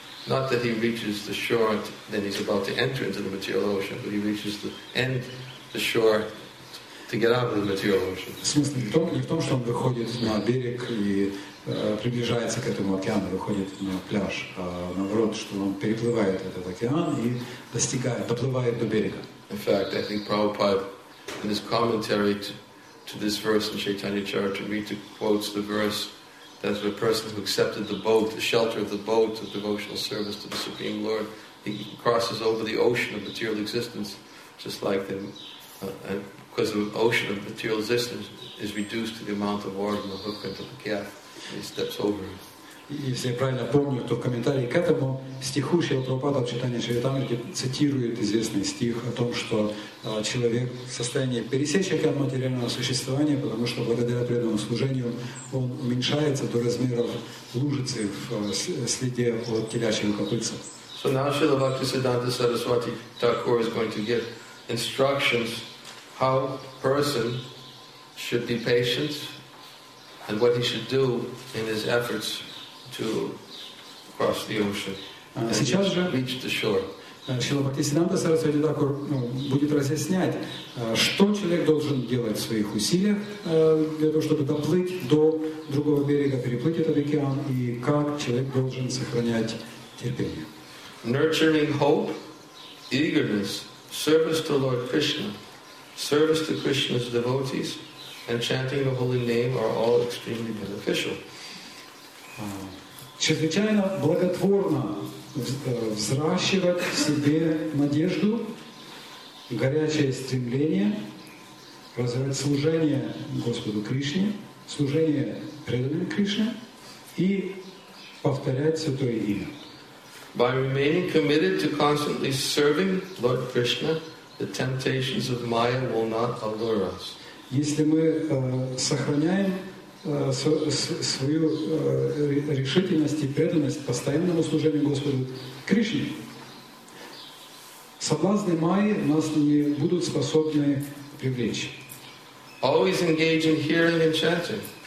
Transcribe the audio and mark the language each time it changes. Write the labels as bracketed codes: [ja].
[en] Not that he reaches the shore and then he's about to enter into the material ocean, but he reaches the end, the shore, to get out of the material ocean. [ru] В смысле, не в том, что он выходит на берег и приближается к этому океану, выходит на пляж, а наоборот, что он переплывает этот океан и достигает, доплывает до берега. [en] In fact, I think Prabhupada, in his commentary to this verse in Chaitanya Charitamrita, quotes the verse that the person who accepted the boat, the shelter of the boat, of devotional service to the Supreme Lord, he crosses over the ocean of material existence, just like the, because the ocean of material existence is reduced to the amount of water in the hook and the calf, and he steps over it. [ru] Если я правильно помню, то в комментарии к этому стиху Шрила Прабхупада в читании Чаритамриты цитирует известный стих о том, что человек в состоянии пересечь океан материального существования, потому что благодаря преданному служению он уменьшается до размеров лужицы в следе от телячьего копытца. [en] So now Śrīla Bhaktisiddhānta Sarasvati Thakur is going to give instructions how person should be patient and what he should do in his efforts to cross the ocean and [ru] сейчас же [en] reach the shore. [ru] Шрила Бхактисиддханта Сарасвати Такур будет разъяснять, что человек должен делать в своих усилиях для того, чтобы доплыть до другого берега, переплыть этот океан, и как человек должен сохранять терпение. [en] Nurturing hope, eagerness, service to Lord Krishna, service to Krishna's devotees, and chanting the holy name are all extremely beneficial. [ru] Чрезвычайно благотворно взращивать в себе надежду, горячее стремление, развивать служение Господу Кришне, служение преданным Кришне и повторять Святое Имя. [en] By remaining committed to constantly serving Lord Krishna, the temptations of Maya will not allure us. [ru] Если мы сохраняем свою решительность и преданность постоянному служению Господу Кришне, соблазны Майи нас не будут способны привлечь. [en] Always engage in hearing and chanting.